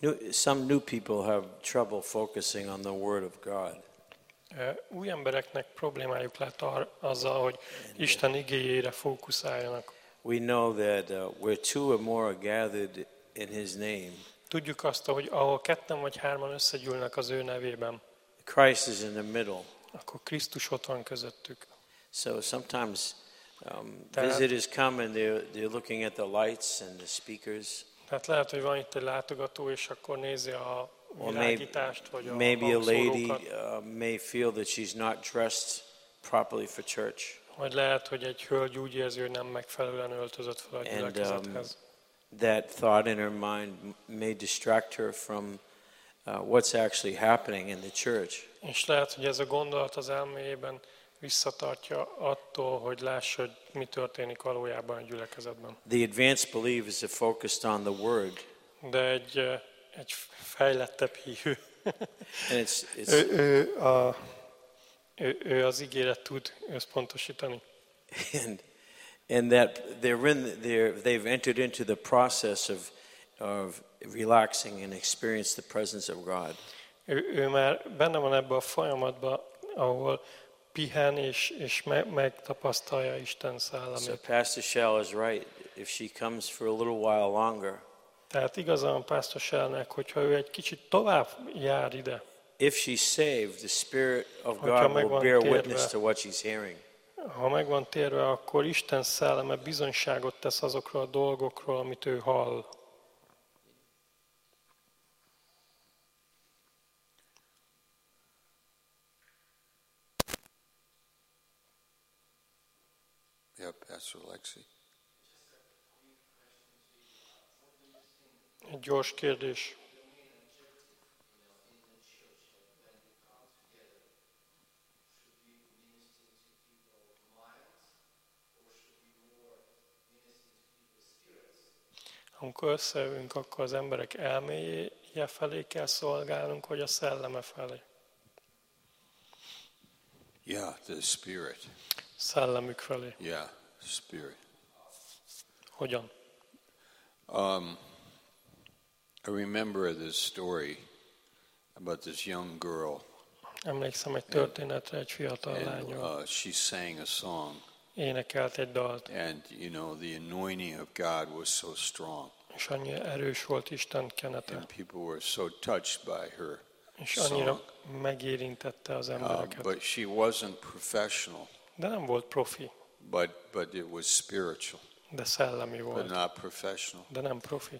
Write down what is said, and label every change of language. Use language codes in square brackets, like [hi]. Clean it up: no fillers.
[en] Some new people have trouble focusing on the Word of God. [hu] Új embereknek problémájuk lehet azzal, hogy Isten igéjére fókuszáljanak. [en] We know that where two or more are gathered in His name. [hu] Tudjuk azt, hogy ahol ketten vagy hárman összegyűlnek az ő nevében. [en] Christ is in the middle. [hu] Akkor Krisztus ott van közöttük. [en] So sometimes visitors come and they're looking at the lights and the speakers. [hu] Tehát lehet, hogy van itt egy látogató, és akkor nézi a világítást, vagy a [en] maybe a lady may feel that she's not dressed properly for church. [hu] Vagy lehet, hogy egy hölgy úgy érzi, hogy nem megfelelően öltözött fel a gyülekezethez. [en] That thought in her mind may distract her from what's actually happening in the church. [hu] És lehet, hogy ez a gondolat az elméjében visszatartja attól, hogy lássa, hogy mi történik valójában a gyülekezetben. [en] The advanced believer is focused on the word. [hu] De egy fejlettebb hívő. [en] And it's [hu] ő az igére tud összpontosítani. [en] And that they've entered into the process of relaxing and experience the presence of God. [hu] Ő már benne van ebben a folyamatban, ahol pihen és megtapasztalja Isten szellemét. [en] So Pastor Shell is right. If she comes for a little while longer. [hu] Tehát igazán Pastor Shellnek, hogyha ő egy kicsit tovább jár ide. [en] If she's saved, the Spirit of God will bear witness to what she's hearing. [hu] Ha meg van térve, akkor Isten szelleme bizonyságot tesz azokról a dolgokról, amit ő hall. [en] Yeah, Pastor Alexi. [hu] Gyors kérdés. Amikor összeülünk, akkor az emberek elméje felé kell szolgálnunk, vagy a szelleme felé? [en] Yeah, the spirit. [hu] Szellemük felé. [en] Yeah, spirit. [hu] Hogyan? [en] I remember this story about this young girl. [hu] Emlékszem egy történetre, egy fiatal lányról. [en] She sang a song. [hu] Énekelt egy dalt. [en] And you know, the anointing of God was so strong. [hu] És annyira erős volt Isten kenete. [en] And people were so touched by her. [hu] És annyira megérintette az embereket. [en] But she wasn't professional. [hu] De nem volt profi. [en] But it was spiritual. [hu] De szellemi volt. [en] But not professional. [hu] De nem profi.